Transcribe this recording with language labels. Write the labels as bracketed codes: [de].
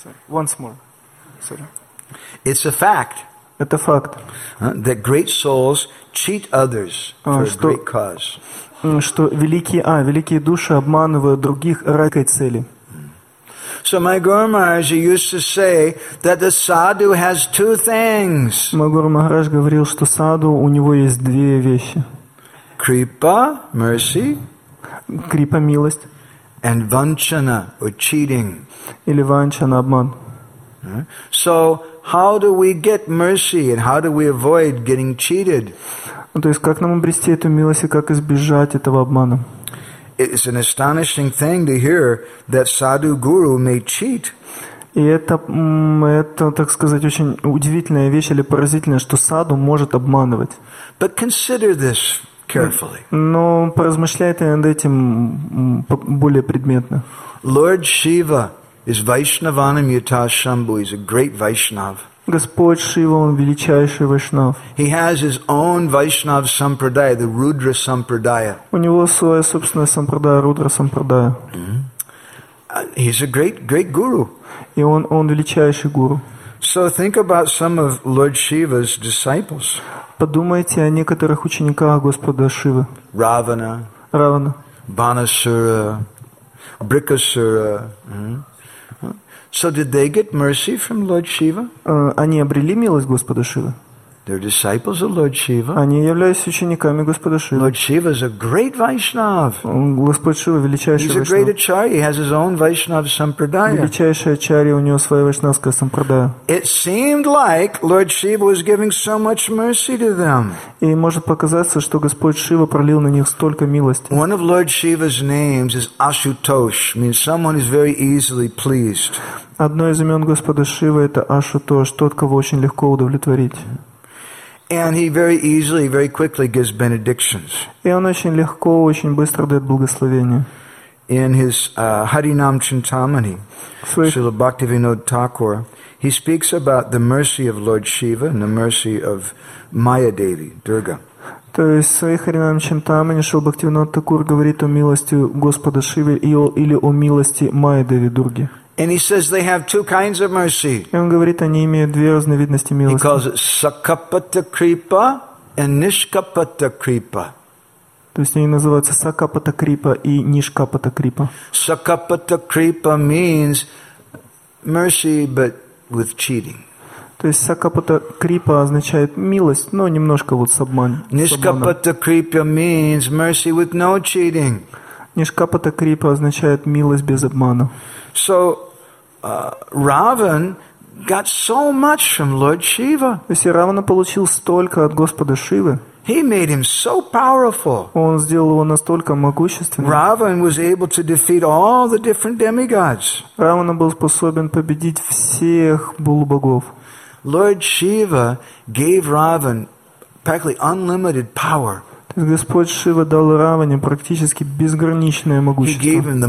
[en] Once more. Sorry. It's a fact. [ru] Это факт. [en] That great souls cheat others for a great cause. [ru] Что великие души обманывают других ради великой цели. [en] So my Guru Maharaj used to say that the sadhu has two things. [ru] Мой Гуру Махарадж говорил, что саду у него есть две вещи. [en] Kripa, mercy. [ru] Крипа, милость. [en] And vanchana, or cheating. [ru] Или ванчана, обман. [en] So how do we get mercy and how do we avoid getting cheated? [ru] То есть как нам обрести эту милость и как избежать этого обмана? [en] It is an astonishing thing to hear that sadhu guru may cheat. [ru] И это, так сказать, очень удивительная вещь или поразительная, что саду может обманывать. [en] But consider this. Carefully. [ru] Но поразмышляйте над этим более предметно. [en] Lord Shiva is Vaishnavanam Yuta Shambhu. He's a great Vaishnav. [ru] Господь Шива, он величайший Вайшнав. [en] He has his own Vaishnav Sampradaya, the Rudra Sampradaya. [ru] У него своя собственная сампрадая, Рудра Сампрадая. [en] He's a great, great guru. [ru] И он величайший гуру. [en] So think about some of Lord Shiva's disciples. [ru] Подумайте о некоторых учениках Господа Шивы. Равана. Банасура. Брикасура. [en] So did they get mercy from Lord Shiva? [ru] Они обрели милость Господа Шивы. [en] They're disciples of Lord Shiva. [ru] Они являются учениками Господа Шивы. [en] Lord Shiva is a great Vaishnav. [ru] Господь Шива величайший Вайшнав. [en] He's a great Acharya. He has his own Vaishnav Sampradaya. [ru] Величайший Ачарья, у него своя Вайшнавская Сампрадая. [en] It seemed like Lord Shiva was giving so much mercy to them. [ru] И может показаться, что Господь Шива пролил на них столько милости. [en] One of Lord Shiva's names is Ashutosh, means someone who's very easily pleased. [ru] Одно из имен Господа Шивы это Ашутош, тот, кого очень легко удовлетворить. [en] And he very easily, very quickly gives benedictions. [ru] И он очень легко, очень быстро дает благословения. [en] In his Harinam Chintamani, Srila Bhaktivinoda Thakur, he speaks about the mercy of Lord Shiva and the mercy of Maya Devi, Durga. [ru] То есть в своих Харинам Чинтамани Шрила Бхактивинода Такур говорит о милости Господа Шивы или о милости Майя Деви Дурги. [en] And he says they have two kinds of mercy. [ru] Он говорит, они имеют две разновидности милости. [en] He calls it sakapata kripa and nishkapata kripa. [ru] То есть они называются сакапата крипа и нишкапата крипа. [en] Sakapata kripa means mercy, but with cheating. [ru] То есть сакапата крипа означает милость, но немножко вот с обманом. [en] Nishkapata kripa means mercy with no cheating. [ru] Нишкапата крипа означает милость без обмана. [en] So Ravan got so much from Lord Shiva. [ru] Если Равана получил столько от Господа Шивы. [en] He made him so powerful. [ru] Он сделал его настолько могущественным. [en] Ravan was able to defeat all the different demigods. [ru] Равана был способен победить всех полубогов. [en] Lord Shiva gave Ravan practically unlimited power. [ru] Господь Шива дал Раване практически безграничное могущество.